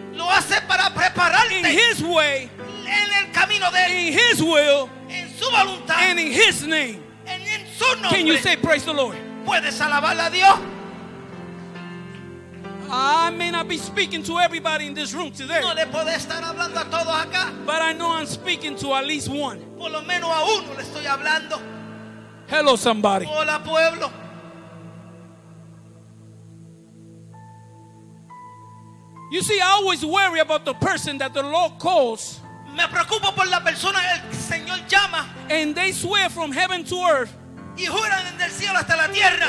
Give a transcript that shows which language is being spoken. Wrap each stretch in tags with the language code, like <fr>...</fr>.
<es>Lo hace para prepararte.</es> <en>In his way.</en> <es>En el camino de él.</es> <en>In his will.</en> <es>En su voluntad.</es> <en>And in his name.</en> <es>En su nombre.</es> <en>Can you say praise the Lord?</en> <es>¿Puedes alabar a Dios?</es> <en>I may not be speaking to everybody in this room today.</en> <es>No le puedo estar hablando a todos acá.</es> <en>But I know I'm speaking to at least one.</en> <es>Por lo menos a uno le estoy hablando.</es> <en>Hello, somebody.</en> <es>Hola, pueblo.</es> <en>You see, I always worry about the person that the Lord calls.</en> <es>Me preocupo por la persona el Señor llama.</es> <en>And they swear from heaven to earth.</en> <es>Y juran desde el cielo hasta la tierra.</es>